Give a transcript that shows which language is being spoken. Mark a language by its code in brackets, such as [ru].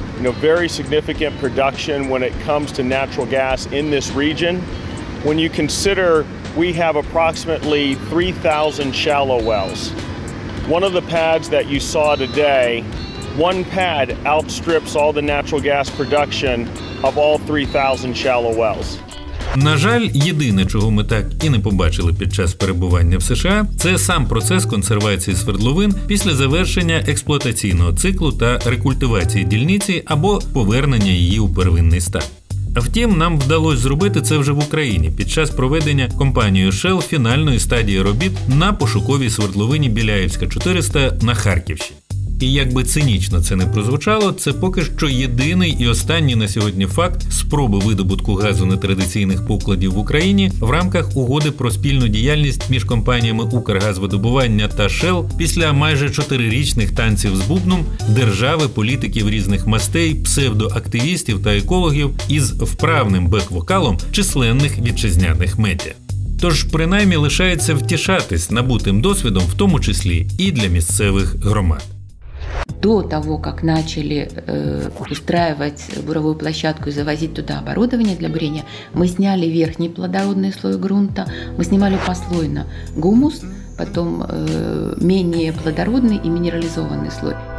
[en] You know, very significant production when it comes to natural gas in this region. When you consider we have approximately 3,000 shallow wells. One of the pads that you saw today, one pad outstrips all the natural gas production of all 3,000 shallow wells. [uk] На жаль, єдине, чого ми так і не побачили під час перебування в США, це сам процес консервації свердловин після завершення експлуатаційного циклу та рекультивації дільниці або повернення її у первинний стан. Втім, нам вдалося зробити це вже в Україні під час проведення компанією Shell фінальної стадії робіт на пошуковій свердловині Біляївська 400 на Харківщині. І якби цинічно це не прозвучало, це поки що єдиний і останній на сьогодні факт спроби видобутку газу нетрадиційних покладів в Україні в рамках угоди про спільну діяльність між компаніями «Укргазвидобування» та «Shell» після майже чотирирічних танців з бубном держави, політиків різних мастей, псевдоактивістів та екологів із вправним бек-вокалом численних вітчизняних медіа. Тож, принаймні, лишається втішатись набутим досвідом, в тому числі і для місцевих громад. [ru] До того, как начали устраивать буровую площадку и завозить туда оборудование для бурения, мы сняли верхний плодородный слой грунта, мы снимали послойно гумус, потом менее плодородный и минерализованный слой.